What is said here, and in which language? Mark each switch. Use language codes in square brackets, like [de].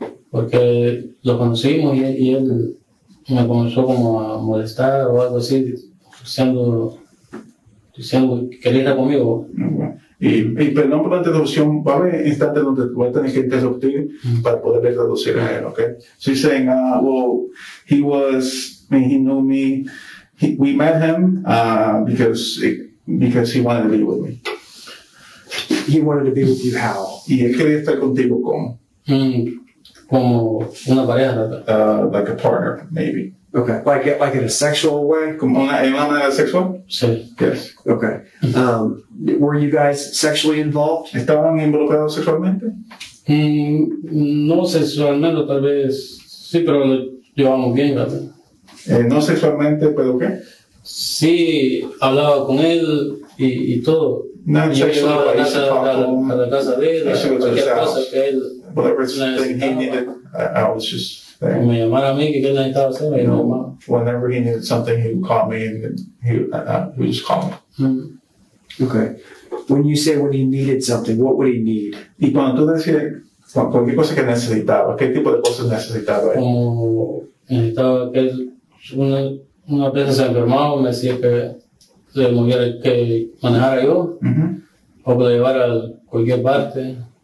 [es] Porque lo conocimos y él me comenzó como a molestar o algo así, diciendo que quería estar conmigo. Y perdón por la interrupción, va a haber instantes donde voy a tener que interrumpir para poder traducir a él, ¿ok? [en] So he's saying, he knew me, we met him because he wanted to be with me. He wanted to be with you how? [es] Y él quería estar contigo como? Como una pareja. [en] Like a partner, maybe. Okay, like in a sexual way? [es] Como una sexual? Sí. [en] Yes. Okay. Were you guys sexually involved? [es] ¿Estaban involucrados sexualmente? No sexualmente, tal vez. Sí, pero lo llevamos bien, ¿verdad? No sexualmente, ¿pero qué? Sí, hablaba con él y todo. [en] No sexually, but he used to talk to him. [es] A la casa de él, [en] whatever thing he needed, I was just... Whenever he needed something, he would call me, and he would just call me. Okay. When you say when he needed something, what would he need? [es] Y cuando tú decías cualquier cosa que necesitaba, ¿qué tipo de cosas necesitaba? Como necesitaba que una vez se enfermaba, me decía que le moviera, que manejara yo, o que lo llevara a cualquier parte.